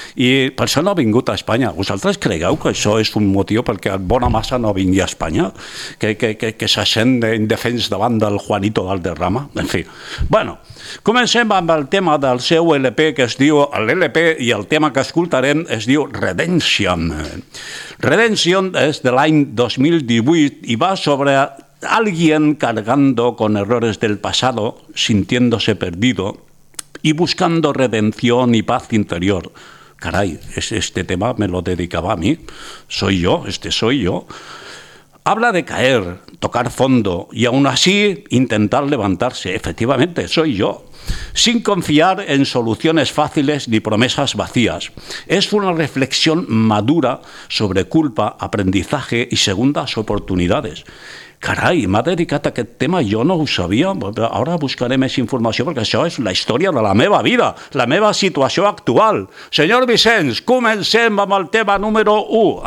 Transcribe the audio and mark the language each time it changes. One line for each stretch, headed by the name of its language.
Catalan: I per això no ha vingut a Espanya. Vosaltres cregueu que això és un motiu perquè Bonamassa no vingui a Espanya? Que se sent indefens davant del Juanito Valderrama? En fi, bueno. Comencem amb el tema del seu LP, que es diu, l'LP i el tema que escoltarem es diu Redemption. Redemption és de l'any 2018 i va sobre
Spanish: alguien cargando con errores del pasado, sintiéndose perdido y buscando redención y paz interior. Caray, este tema me lo dedicaba a mí, soy yo, este soy yo. Habla de caer, tocar fondo y aún así intentar levantarse. Efectivamente, soy yo. Sin confiar en soluciones fáciles ni promesas vacías. Es una reflexión madura sobre culpa, aprendizaje y segundas oportunidades.
Catalan: Caray, m'ha dedicat a aquest tema, jo no ho sabia. Ara buscaré més informació perquè això és la història de la meva vida, la meva situació actual. Senyor Vicenç, comencem amb el tema número 1.